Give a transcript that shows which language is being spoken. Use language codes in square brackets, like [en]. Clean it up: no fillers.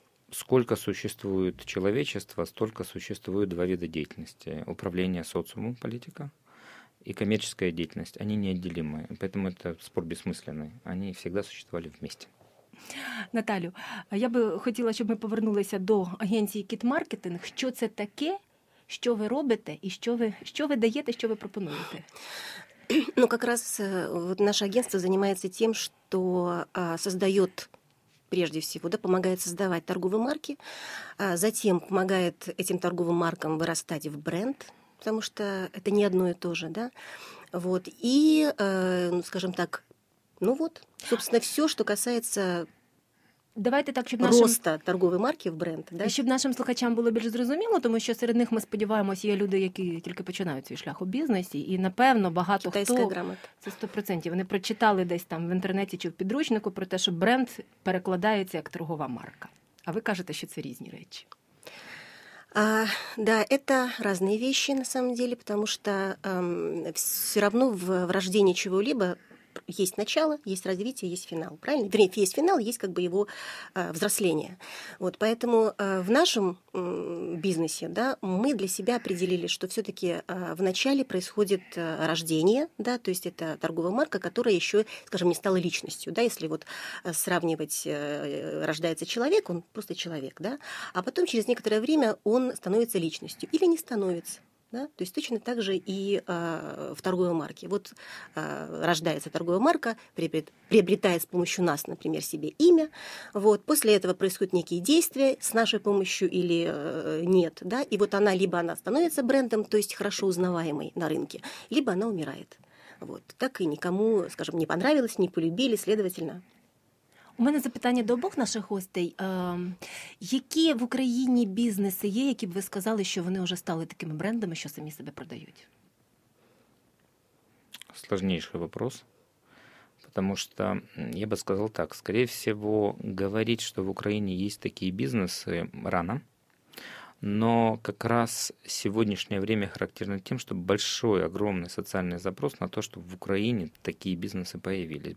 [uk] Скільки существує людства, стільки существує два види діяльності: управління соціумом, політика і комерційна діяльність. Вони неодділимі, тому це спор безсмислений. Вони завжди существували вместе. Наталю, я би хотіла, щоб ми повернулися до агенції Кіт Маркетинг. Що це таке? Що ви робите і що ви даєте, що ви пропонуєте? [ru] Ну, как раз вот наше агентство занимается тем, что создает, прежде всего, да, помогает создавать торговые марки, затем помогает этим торговым маркам вырастать в бренд, потому что это не одно и то же, да. Вот, и, ну, скажем так, ну вот, собственно, все, что касается. [uk] Давайте так, щоб роста торгової марки в бренд. Да? Щоб нашим слухачам було більш зрозуміло, тому що серед них, ми сподіваємось, є люди, які тільки починають свій шлях у бізнесі, і, напевно, багато китайська хто... грамота. Це 100%. Вони прочитали десь там в інтернеті чи в підручнику про те, що бренд перекладається як торгова марка. А ви кажете, що це різні речі. [ru] Да, это [uk] різні речі, [ru] на самом деле, [uk] тому що [ru] все равно в рождении чего-либо есть начало, есть развитие, есть финал. Правильно? Вернее, есть финал, есть как бы его взросление. Вот, поэтому в нашем бизнесе, да, мы для себя определили, что все-таки в начале происходит рождение, да, то есть это торговая марка, которая еще, скажем, не стала личностью. Да, если вот сравнивать, рождается человек, он просто человек, да, а потом через некоторое время он становится личностью или не становится. Да? То есть точно так же и в торговой марке. Вот рождается торговая марка, приобретая с помощью нас, например, себе имя. Вот, после этого происходят некие действия с нашей помощью или нет. Да? И вот она либо она становится брендом, то есть хорошо узнаваемой на рынке, либо она умирает. Вот, так и никому, скажем, не понравилось, не полюбили, следовательно. [uk] У мене запитання до обох наших гостей. Які в Україні бізнеси є, які б ви сказали, що вони вже стали такими брендами, що самі себе продають? Сложніший питання. Тому що я би сказав так. Скоріше всього, говорити, що в Україні є такі бізнеси, рано. [ru] Но как раз сегодняшнее время характерно тем, что большой, огромный социальный запрос на то, чтобы в Украине такие бизнесы появились.